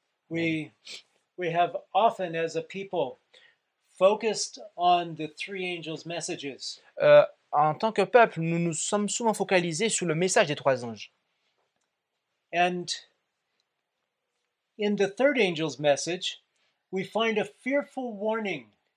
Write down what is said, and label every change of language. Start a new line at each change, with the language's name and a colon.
English: We have often, as a people, focused on the three angels' messages.
French: En tant que peuple, nous nous sommes souvent focalisés sur le message des trois anges.
English: And in the third angel's message, we find a fearful warning.